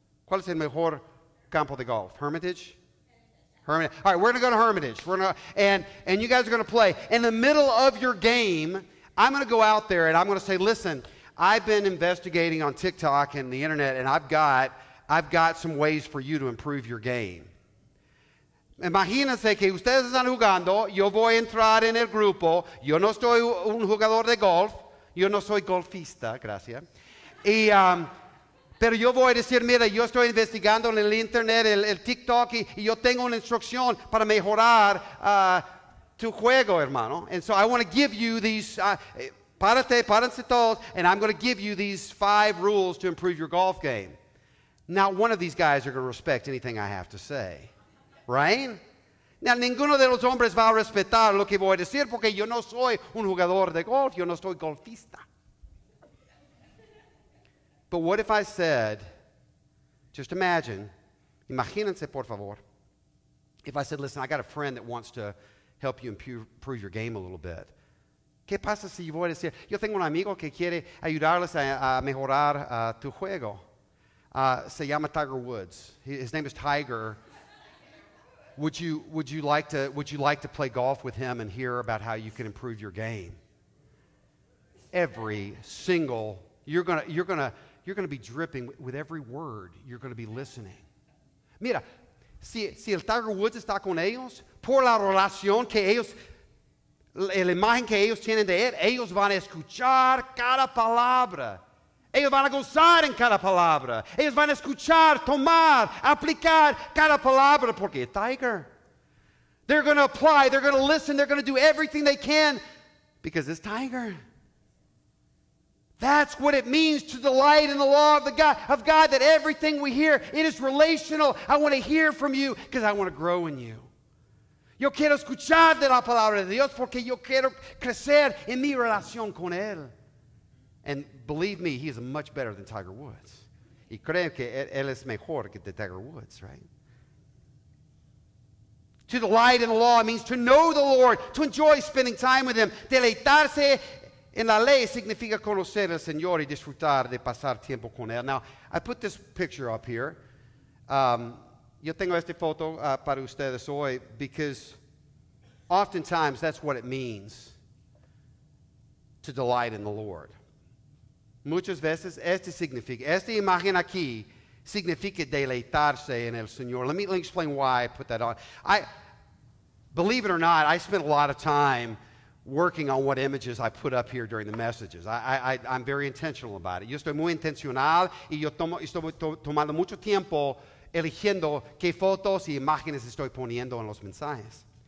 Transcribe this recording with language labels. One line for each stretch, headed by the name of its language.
Spanish: ¿Cuál es el mejor campo de golf?
English: Hermitage? Hermitage. All right, we're going to go to Hermitage. And you guys are going to play. In the middle of your game, I'm going to go out there and I'm going to say, listen, I've been investigating on TikTok and the internet, and I've got some ways for you to improve your game.
Spanish: Imagínense que ustedes están jugando, yo voy a entrar en el grupo, yo no soy un jugador de golf, yo no soy golfista, gracias. Pero yo voy a decir, mira, yo estoy investigando en el internet, el TikTok, y yo tengo una instrucción para mejorar tu juego, hermano.
English: And so I want to give you these,
Spanish: párense todos,
English: and I'm going to give you these five rules to improve your golf game. Not one of these guys are going to respect anything I have to say, right?
Spanish: Now, ninguno de los hombres va a respetar lo que voy a decir porque yo no soy un jugador de golf, yo no soy golfista.
English: But what if I said, just imagine,
Spanish: imagínense, por favor,
English: if I said, listen, I got a friend that wants to help you improve your game a little bit.
Spanish: ¿Qué pasa si voy a decir, yo tengo un amigo que quiere ayudarles a mejorar tu juego? Se llama Tiger Woods.
English: His name is Tiger. Would you like to play golf with him and hear about how you can improve your game? You're gonna be dripping with every word. You're gonna be listening.
Spanish: Mira, si el Tiger Woods está con ellos, por la relación que ellos, la imagen que ellos tienen de él, ellos van a escuchar cada palabra. Ellos van a gozar en cada palabra. Ellos van a escuchar, tomar, aplicar cada palabra.
English: Porque Tiger, they're going to apply, they're going to listen, they're going to do everything they can because it's Tiger. That's what it means to delight in the law of God, that everything we hear, it is relational. I want to hear from you because I want to grow in you.
Spanish: Yo quiero escuchar de la palabra de Dios porque yo quiero crecer en mi relación con él.
English: And believe me, he is much better than Tiger Woods.
Spanish: Y creo que él es mejor que Tiger Woods, right?
English: To delight in the law means to know the Lord, to enjoy spending time with him.
Spanish: Deleitarse en la ley significa conocer al Señor y disfrutar de pasar tiempo con él.
English: Now, I put this picture up here.
Spanish: Yo tengo esta foto para ustedes hoy
English: because oftentimes that's what it means to delight in the Lord.
Spanish: Muchas veces este significa, esta imagen aquí significa deleitarse en el Señor.
English: Let me explain why I put that on. I, believe it or not, I spent a lot of time working on what images I put up here during the messages. I'm very intentional about it.
Spanish: Yo estoy muy intencional y yo estoy tomando mucho tiempo eligiendo qué fotos y imágenes estoy poniendo en los mensajes.